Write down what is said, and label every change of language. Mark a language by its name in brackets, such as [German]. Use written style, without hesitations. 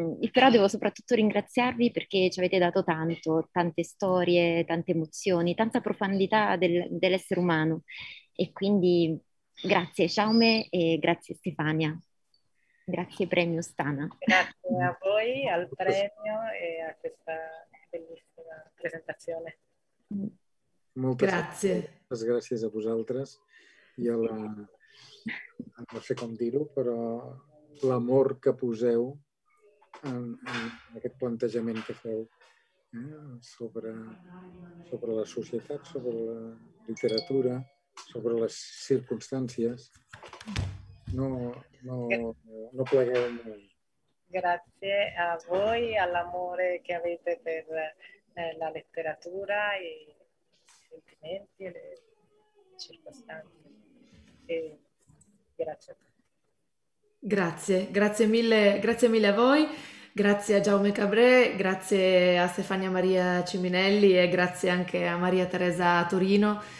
[Italian] Però devo soprattutto ringraziarvi perché ci avete dato tanto, tante storie, tante emozioni, tanta profondità dell'essere umano. E quindi grazie Jaume e grazie Stefania. Grazie premio Stana. Grazie a voi, al premio e a questa bellissima presentazione. [Catalan] Moltes [Italian] Grazie. [Catalan] gràcies a vosaltres i a la, no sé com dir-ho, però l'amor que poseu en aquest plantejament que feu, sobre la societat, sobre la literatura, sobre les circumstàncies. No plegueu mai. [Italian] Grazie a voi, all'amore che avete per la letteratura, i sentimenti, le circostanze. E grazie Grazie, grazie mille a voi, grazie a Jaume Cabré, grazie a Stefania Maria Ciminelli e grazie anche a Maria Teresa Torino.